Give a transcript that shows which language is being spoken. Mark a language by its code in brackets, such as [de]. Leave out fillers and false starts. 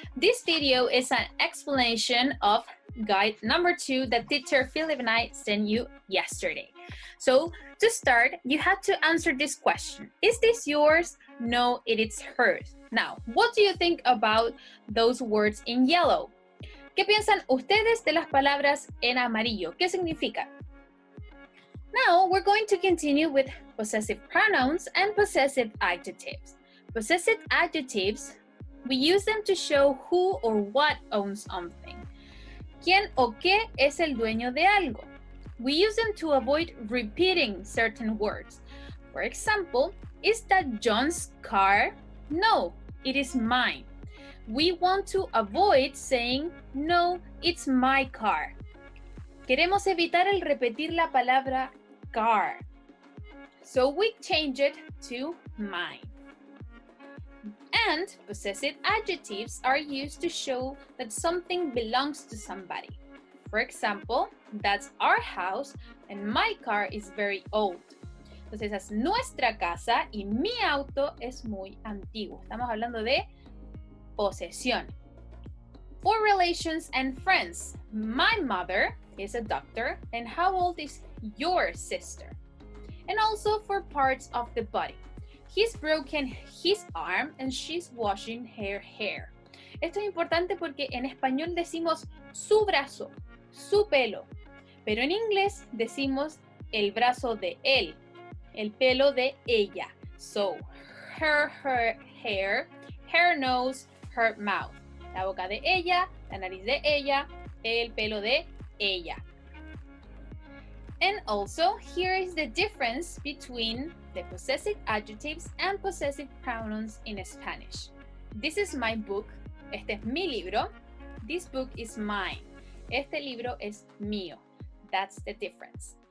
[en] This video is an explanation of guide number 2 that teacher Philip and I sent you yesterday. So to start, you have to answer this question. Is this yours? No, it is hers. Now, what do you think about those words in yellow? [es] ¿Qué piensan ustedes de las palabras en amarillo? ¿Qué significa? [en] Now, we're going to continue with possessive pronouns and possessive adjectives. Possessive adjectives, we use them to show who or what owns something. [es] ¿Quién o qué es el dueño de algo? [en] We use them to avoid repeating certain words. For example, is that John's car? No, it is mine. We want to avoid saying, no, it's my car. [es] Queremos evitar el repetir la palabra car. [en] So we change it to mine. And possessive adjectives are used to show that something belongs to somebody. For example, that's our house and my car is very old. [es] Entonces, es nuestra casa y mi auto es muy antiguo. Estamos hablando de posesión. [en] For relations and friends, my mother is a doctor and how old is your sister? And also for parts of the body. He's broken his arm and she's washing her hair. [es] Esto es importante porque en español decimos su brazo, su pelo. Pero en inglés decimos el brazo de él, el pelo de ella. [en] So, her hair, her nose, her mouth. [es] La boca de ella, la nariz de ella, el pelo de ella. [en] And also, here is the difference between the possessive adjectives and possessive pronouns in Spanish. This is my book. [es] Este es mi libro. [en] This book is mine. [es] Este libro es mío. [en] That's the difference.